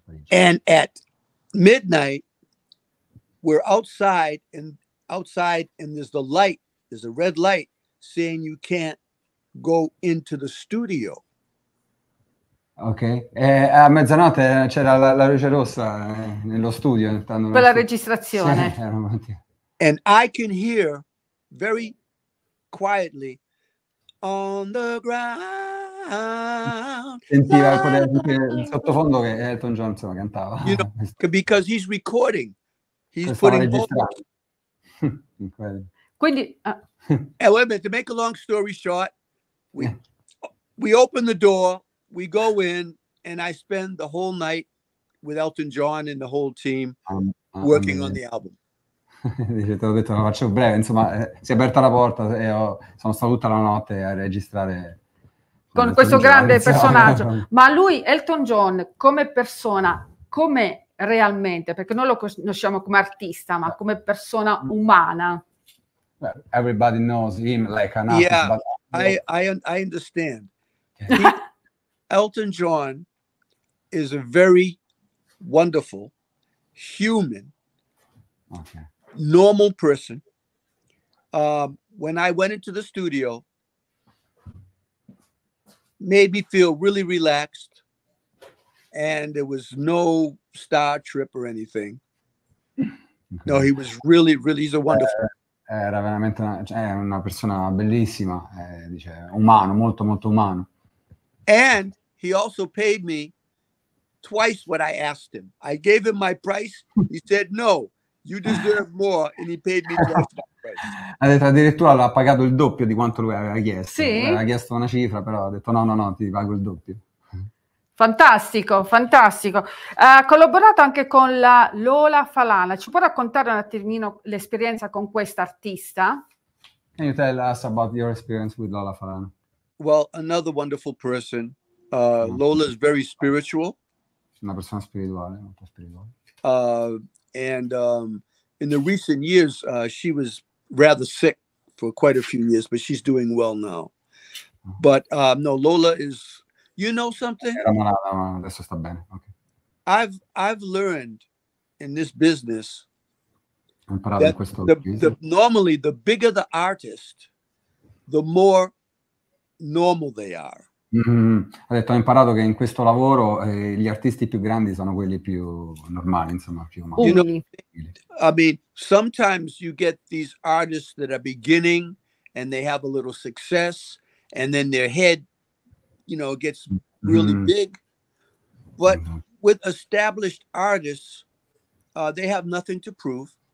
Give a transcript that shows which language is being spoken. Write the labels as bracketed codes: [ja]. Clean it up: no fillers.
[en] and at midnight we're outside and there's the light, there's a red light saying you can't go into the studio. Okay. [it] E a mezzanotte c'era la luce rossa nello studio per la registrazione. [en] And I can hear very quietly on the ground. [it] Sentiva il sottofondo che Elton John insomma, cantava. [en] You know, because he's recording. He's putting vocals. [it] Quindi, [en] And wait a minute, to make a long story short, we open the door, we go in, and I spend the whole night with Elton John and the whole team working on the album. [it] Dice, te l'ho detto, la faccio breve, insomma, si è aperta la porta e sono stato tutta la notte a registrare con questo grande personaggio. Ma lui, Elton John, come persona, com'è realmente? Perché noi lo conosciamo come artista, ma come persona umana. [en] Well, everybody knows him like an artist. Yeah, but I understand. Yeah. Elton John is a very wonderful human. Okay. Normal person. When I went into the studio, made me feel really relaxed, and there was no star trip or anything. No, he was really, really, he's a wonderful. [it] Era veramente una persona bellissima, dice, umano, molto, molto umano. [en] And he also paid me twice what I asked him. I gave him my price. He said no. You deserve more, and he paid me twice. [it] Ha detto addirittura l'ha pagato il doppio di quanto lui aveva chiesto. Sì. Aveva chiesto una cifra, però ha detto no, ti pago il doppio. Fantastico, fantastico. Ha collaborato anche con la Lola Falana. Ci può raccontare un attimino l'esperienza con questa artista? [en] Can you tell us about your experience with Lola Falana? Well, another wonderful person. Lola is very spiritual. [it] Una persona spirituale, molto spirituale. [en] And in the recent years, she was rather sick for quite a few years, but she's doing well now. But no, Lola is, you know something? [it] Adesso sta bene. Okay. [en] I've learned in this business that normally the bigger the artist, the more normal they are. [it] Ha detto, ho imparato che in questo lavoro gli artisti più grandi sono quelli più normali, insomma, più umani. [en] You know, I mean, sometimes you get these artists that are beginning and they have a little success and then their head, you know, gets really big. But with established artists, they have nothing to prove.